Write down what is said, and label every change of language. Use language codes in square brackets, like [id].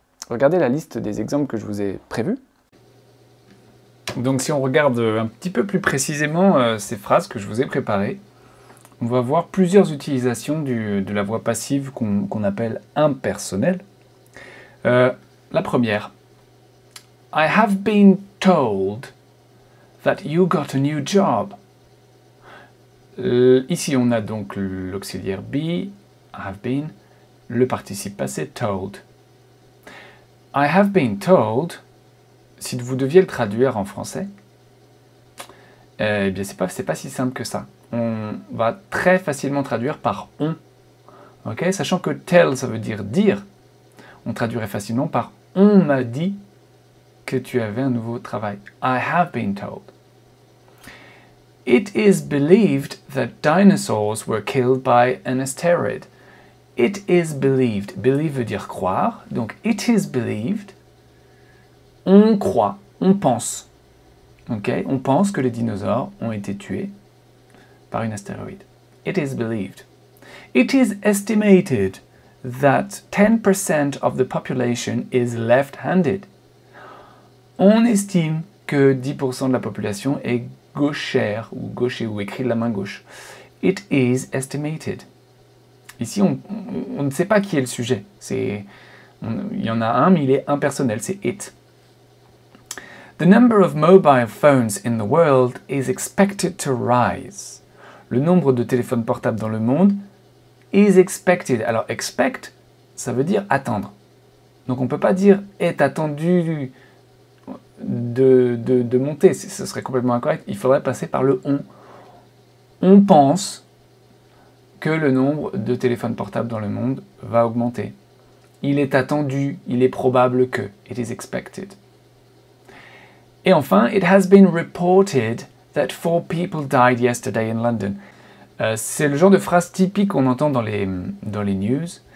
[fr] Regardez la liste des exemples que je vous ai prévus. Donc si on regarde un petit peu plus précisément ces phrases que je vous ai préparées, on va voir plusieurs utilisations de la voix passive qu'on appelle impersonnelle. La première. [en] I have been told that you got a new job. [fr] Ici, on a donc l'auxiliaire be, [en] have been, [fr] le participe passé, told. [en] I have been told, [fr] si vous deviez le traduire en français, eh bien, c'est pas si simple que ça. On va très facilement traduire par on. Okay? Sachant que tell, ça veut dire. On traduirait facilement par « on m'a dit que tu avais un nouveau travail ». [en] I have been told. It is believed that dinosaurs were killed by an asteroid. It is believed. Believe [fr] veut dire croire. Donc, [en] it is believed. [fr] On croit, on pense. Okay? On pense que les dinosaures ont été tués par une astéroïde. [en] It is believed. It is estimated that 10% of the population is left-handed. [fr] On estime que 10% de la population est gauchère ou gaucher ou écrit de la main gauche. [en] It is estimated. [fr] Ici, on ne sait pas qui est le sujet. Il y en a un, mais il est impersonnel, c'est it. The number of mobile phones in the world is expected to rise. Le nombre de téléphones portables dans le monde [en] is expected. [fr] Alors, expect, ça veut dire attendre. Donc, on ne peut pas dire est attendu de monter. Ce serait complètement incorrect. Il faudrait passer par le on. On pense que le nombre de téléphones portables dans le monde va augmenter. Il est attendu. Il est probable que. [en] It is expected. [fr] Et enfin, [en] it has been reported that 4 people died yesterday in London. [fr] C'est le genre de phrase typique qu'on entend dans les news.